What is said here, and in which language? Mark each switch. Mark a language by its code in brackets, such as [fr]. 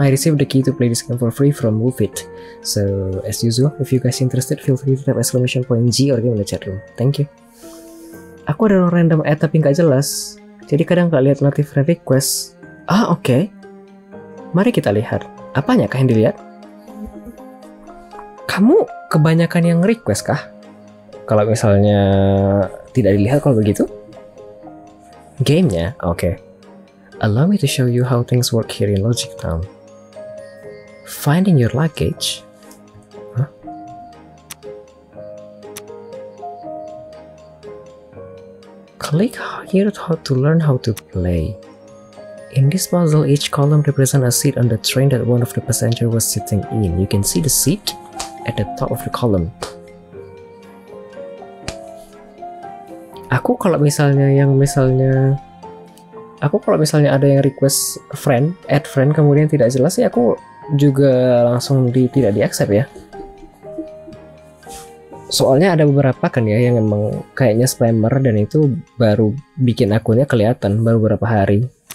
[en] I received the key to play this game for free from Wufit. So, as usual, if you guys interested, feel free to type !G or game in the chat room. Thank you. [id] Aku ada orang random ad tapi nggak jelas. Jadi kadang nggak lihat notif friend request. Ah, oke. Okay. Mari kita lihat. Apanya kah yang dilihat? Kamu kebanyakan yang request kah? Kalau misalnya tidak dilihat kalau begitu? Game-nya? Oke. Okay. [en] Allow me to show you how things work here in Logic Town. Finding your luggage? Huh? Click here to learn how to play. In this puzzle, each column represents a seat on the train that one of the passengers was sitting in. You can see the seat at the top of the column. [id] Aku kalau misalnya ada yang request friend, add friend, kemudian tidak jelas sih, aku juga langsung tidak di accept ya. Soalnya ada beberapa kan ya yang emang kayaknya spammer dan itu baru bikin akunnya kelihatan baru beberapa hari.